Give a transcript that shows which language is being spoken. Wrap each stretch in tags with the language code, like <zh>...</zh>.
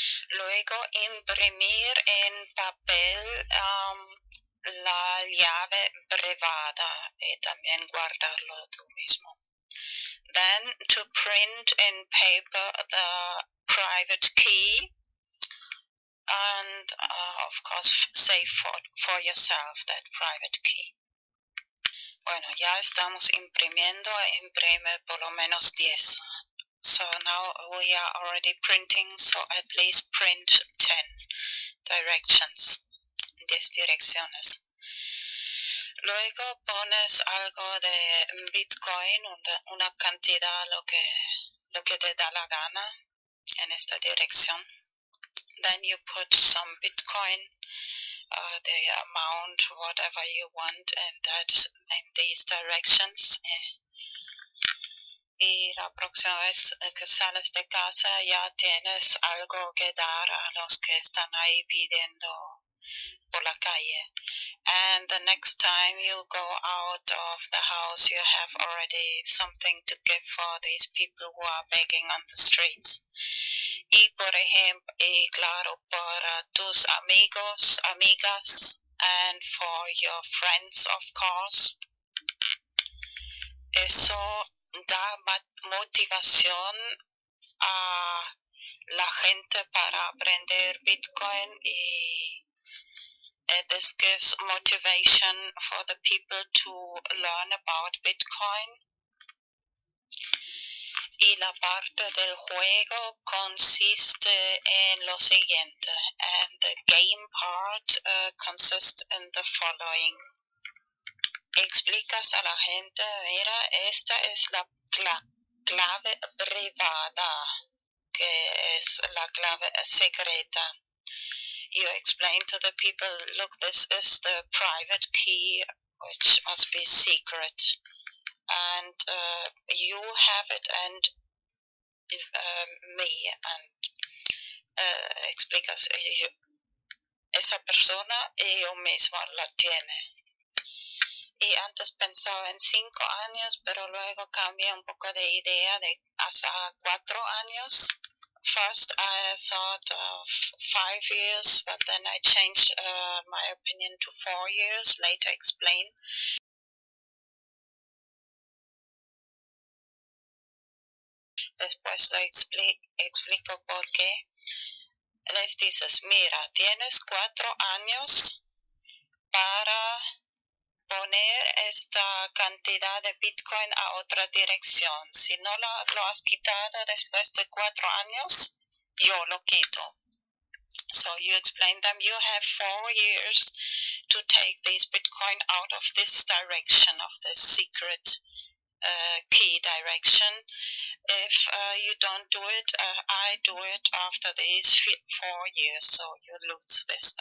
<es>Luego, imprimir en papel la llave privada y también guardarlo tú mismo.</es> <en>Then to print in paper the private key and of course save for yourself that private key.</en> <es>Bueno, ya estamos imprimiendo, imprime por lo menos 10.</es> <en>So now we are already printing, so at least print 10 directions.</en> <es>10 direcciones. Luego pones algo de Bitcoin, una cantidad, lo que te da la gana en esta dirección.</es> <en>Then you put some Bitcoin, the amount, whatever you want, and that in these directions.</en> <es>Y la próxima vez que sales de casa ya tienes algo que dar a los que están ahí pidiendo por la calle.</es> <en>And the next time you go out of the house, you have already something to give for these people who are begging on the streets.</en> <es>Y por ejemplo, y claro, para tus amigos, amigas,</es> <en>and for your friends, of course.</en> <es>Eso da motivación a la gente para aprender Bitcoin y</es> <en>this gives motivation for the people to learn about Bitcoin.</en> <es>Y la parte del juego consiste en lo siguiente.</es> <en>And the game part consists in the following.</en> <es>Explicas a la gente, mira, esta es la clave privada, que es la clave secreta.</es> <en>You explain to the people, look, this is the private key, which must be secret. And you have it and me.</en> <es>And explicas, yo, esa persona y yo mismo la tiene. Y antes pensaba en 5 años, pero luego cambié un poco de idea de hasta 4 años.</es> <en>First, I thought of 5 years, but then I changed my opinion to 4 years. Later, explain.</en> <es>Después lo explico por qué. Les dices, mira, tienes 4 años para poner esta cantidad de Bitcoin a otra dirección. Si no lo has quitado después de 4 años, yo lo quito.</es> <en>So you explain them, you have 4 years to take this Bitcoin out of this direction, of this secret key direction. If you don't do it, I do it after these 4 years, so you lose this.</en>